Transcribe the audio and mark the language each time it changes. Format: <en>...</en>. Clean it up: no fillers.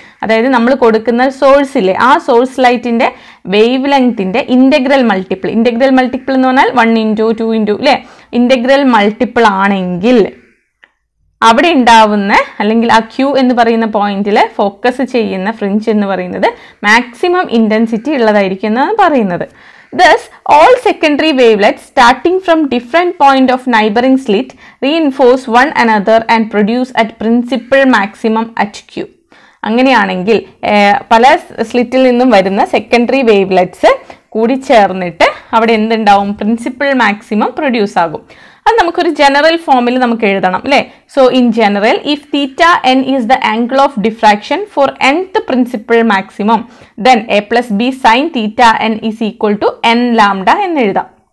<ml>അതായത് നമ്മൾ കൊടുക്കുന്ന സോഴ്സ് ഇല്ലേ, ആ സോഴ്സ് ലൈറ്റിൻ്റെ wave ലെങ്തിൻ്റെ integral multiple, integral multiple എന്ന് പറഞ്ഞാൽ വൺ ഇൻറ്റു ടു ഇൻറ്റു അല്ലേ, ഇൻറ്റഗ്രൽ മൾട്ടിപ്പിൾ ആണെങ്കിൽ അവിടെ ഉണ്ടാവുന്ന അല്ലെങ്കിൽ ആ ക്യൂ എന്ന് പറയുന്ന പോയിന്റിൽ ഫോക്കസ് ചെയ്യുന്ന ഫ്രിഞ്ച് എന്ന് പറയുന്നത് മാക്സിമം ഇൻറ്റൻസിറ്റി ഉള്ളതായിരിക്കും എന്നാണ് പറയുന്നത്.</ml> <en>Thus, all secondary wavelets starting from different point of neighboring slit reinforce one another and produce at principal maximum at Q.</en> <ml>അങ്ങനെയാണെങ്കിൽ പല സ്ലിറ്റിൽ നിന്നും വരുന്ന സെക്കൻഡറി വേവ്ലെറ്റ്സ് കൂടി ചേർന്നിട്ട് അവിടെ എന്തുണ്ടാവും? പ്രിൻസിപ്പിൾ മാക്സിമം പ്രൊഡ്യൂസ് ആകും. അത് നമുക്കൊരു ജനറൽ ഫോമിൽ നമുക്ക് എഴുതണം അല്ലേ.</ml> <en>so in general if theta n is the angle of diffraction for nth principal maximum then a plus b sine theta n is equal to n lambda</en> <ml>എന്ന് എഴുതാം.</ml>